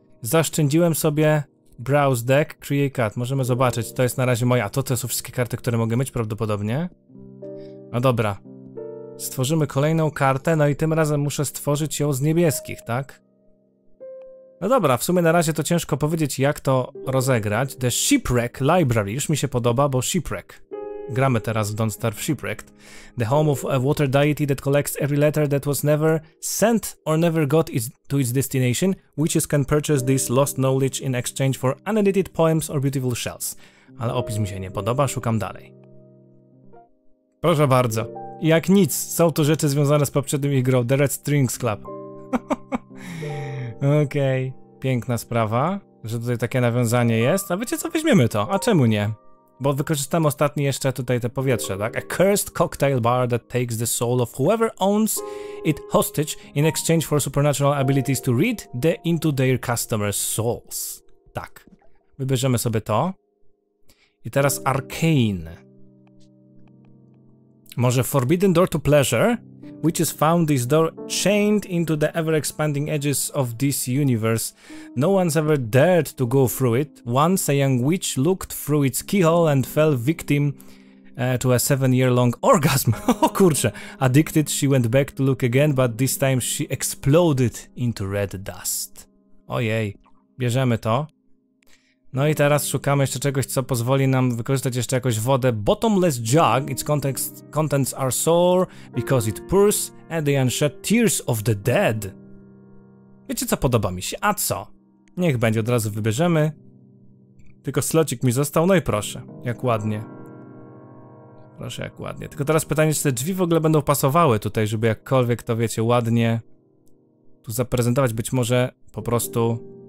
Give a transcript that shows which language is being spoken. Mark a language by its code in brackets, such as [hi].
[pl] Zaszczędziłem sobie Browse Deck, Create Card. Możemy zobaczyć, to jest na razie moja. A to są wszystkie karty, które mogę mieć prawdopodobnie. No dobra. Stworzymy kolejną kartę, no i tym razem muszę stworzyć ją z niebieskich, tak? No dobra, w sumie na razie to ciężko powiedzieć, jak to rozegrać. The Shipwreck Library, już mi się podoba, bo Shipwreck. Gramy teraz w Don't Starve Shipwrecked. [en] The home of a water deity that collects every letter that was never sent or never got to its destination. Witches can purchase this lost knowledge in exchange for unedited poems or beautiful shells. [pl] Ale opis mi się nie podoba, szukam dalej. Proszę bardzo. jak nic, są to rzeczy związane z poprzednim ich grą, The Red Strings Club. Okej, okay. Piękna sprawa, że tutaj takie nawiązanie jest. A wiecie co, weźmiemy to, a czemu nie? Bo wykorzystam ostatni jeszcze tutaj te powietrze, tak? [en] A cursed cocktail bar that takes the soul of whoever owns it hostage in exchange for supernatural abilities to read the into their customers' souls. [pl] Tak. Wybierzemy sobie to. I teraz arcane. [en] Może forbidden door to pleasure, which is found this door chained into the ever-expanding edges of this universe. No one's ever dared to go through it. Once a young witch looked through its keyhole and fell victim to a 7-year-long orgasm. [pl] O kurczę. [en] Addicted, she went back to look again, but this time she exploded into red dust. [pl] Ojej. Bierzemy to. No i teraz szukamy jeszcze czegoś, co pozwoli nam wykorzystać jeszcze jakoś wodę. [en] Bottomless jug, its contents are sour because it pours and the unshed tears of the dead. [pl] Wiecie co, podoba mi się, a co? Niech będzie, od razu wybierzemy. Tylko slocik mi został, no i proszę, jak ładnie. Proszę, jak ładnie. Tylko teraz pytanie, czy te drzwi w ogóle będą pasowały tutaj, żeby jakkolwiek to, wiecie, ładnie tu zaprezentować, być może po prostu...